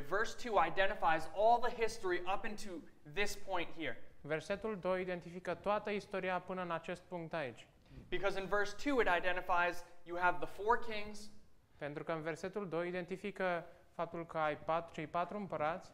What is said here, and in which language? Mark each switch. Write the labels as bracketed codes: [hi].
[en] Verse 2 identifies all the history up into this point here. [ro] Versetul 2 identifică toată istoria până în acest punct aici. [en] Because in verse 2 it identifies you have the four kings. [ro] Pentru că în versetul 2 identifică faptul că ai cei patru împărați.